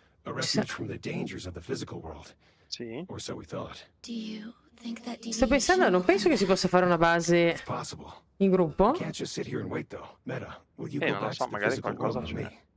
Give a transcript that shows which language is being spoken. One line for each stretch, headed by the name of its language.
English: A refuge from the dangers of the physical world.
Italian: Sì.
English: Or so we thought. Do you think that deviation...
Italian: Sto pensando, non penso che si possa fare una base in gruppo.
English: Can't just sit here and wait though. Meta, will you go back to the physical world with me?